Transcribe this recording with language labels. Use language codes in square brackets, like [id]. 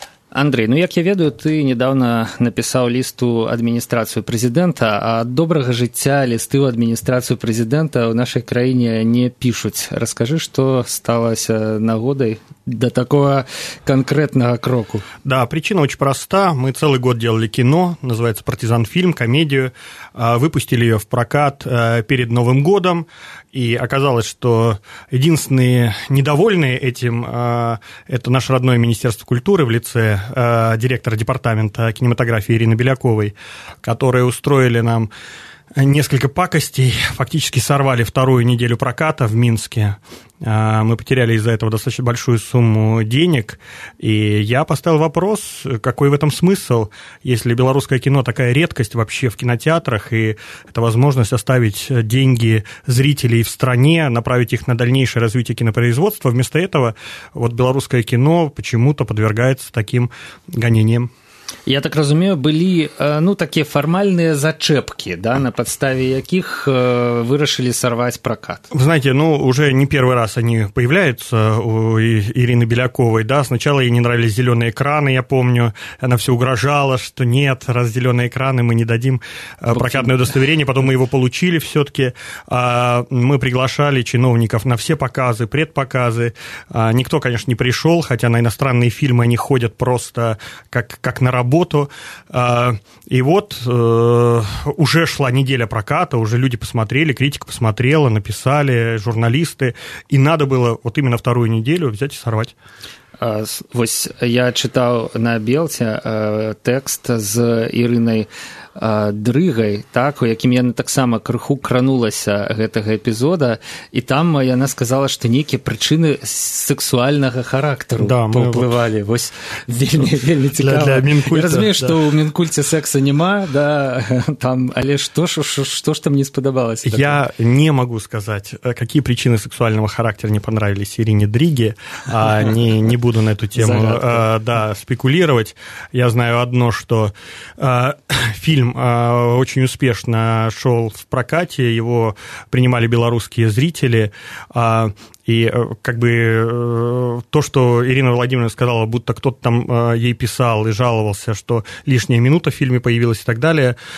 [be] Андрей, ну як я ведаю, ты недавно написаў ліст у адміністрацыю прэзідэнта, а ад добрага жыцця лісты ў адміністрацыю прэзідэнта ў нашай краіне не пішуць. Раскажы, што сталася нагодай да такога канкрэтнага кроку. [ru] Да, прычына очень проста. Мы цэлы год делалі кіно, называецца «Партизан фільм», камедію, выпусцілі её в пракат перед Новым годам, и оказалось, что единственные недовольные этим это наше родное Министерство культуры в лице директора департамента кинематографии Ирины Беляковой, которые устроили нам несколько пакостей, фактически сорвали вторую неделю проката в Минске. Мы потеряли из-за этого достаточно большую сумму денег, и я поставил вопрос, какой в этом смысл, если белорусское кино такая редкость вообще в кинотеатрах, и это возможность оставить деньги зрителей в стране, направить их на дальнейшее развитие кинопроизводства. Вместо этого вот белорусское кино почему-то подвергается таким гонениям. [be] Я так разумею, былі ну такія фармальныя зачэпкі, да, на падставе якіх вырашылі сарваць пракат. [ru] Вы знаете, ну уже не первый раз они появляются у Ирины Беляковой, да. Сначала ей не нравились зелёные экраны, я помню, она всё угрожала, что нет, раз зелёные экраны, мы не дадим прокатное удостоверение, потом мы его получили всё-таки. Мы приглашали чиновников на все показы, предпоказы. Никто, конечно, не пришёл, хотя на иностранные фильмы они ходят просто как на работу. И вот уже шла неделя проката, уже люди посмотрели, критика посмотрела, написали, журналисты, и надо было вот именно вторую неделю взять и сорвать. [be] Вось я чытаў на Белце тэкст з Ірынай Дрыгай, так, у якім яна таксама крыху кранулася гэтага эпізода, і там яна сказала, што нейкія прычыны сексуальнага характару паўплывалі. Да, вось вельмі, вельмі цікава. Для Мінкульта, я разумею, да. Што ў Мінкульце секса няма, да, там, але што ж там не спадабалася? Я такое? Не магу сказаць, какія прычыны сексуальнага характару не панравіліся Ірине Дрыге, [ru] а не буду на эту тему да, спекулировать. Я знаю одно, что фильм очень успешно шел в прокате, его принимали белорусские зрители, и как бы то, что Ирина Владимировна сказала, будто кто-то там ей писал и жаловался, что лишняя минута в фильме появилась и так далее,